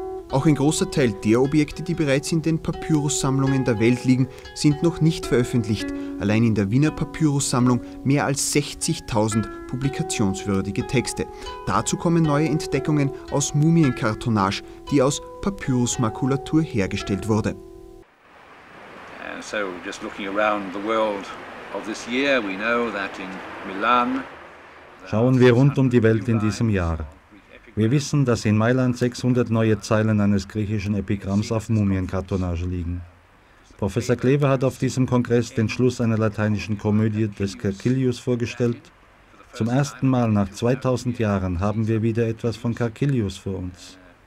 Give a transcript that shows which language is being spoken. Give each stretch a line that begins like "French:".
German: Auch ein großer Teil der Objekte, die bereits in den Papyrussammlungen der Welt liegen, sind noch nicht veröffentlicht. allein in der Wiener Papyrussammlung mehr als 60.000 publikationswürdige Texte. Dazu kommen neue Entdeckungen aus Mumienkartonage, die aus Papyrusmakulatur hergestellt wurde.
English: So, just looking around the world of this year, we know that in Milan.
German: Schauen wir rund um die Welt in diesem Jahr. Wir wissen, dass in Mailand 600 neue Zeilen eines griechischen Epigramms auf Mumienkartonage liegen. Professor Klever hat auf diesem Kongress den Schluss einer lateinischen Komödie des Cercilius vorgestellt. Zum ersten Mal nach 2000 Jahren haben wir wieder etwas von Cercilius vor uns.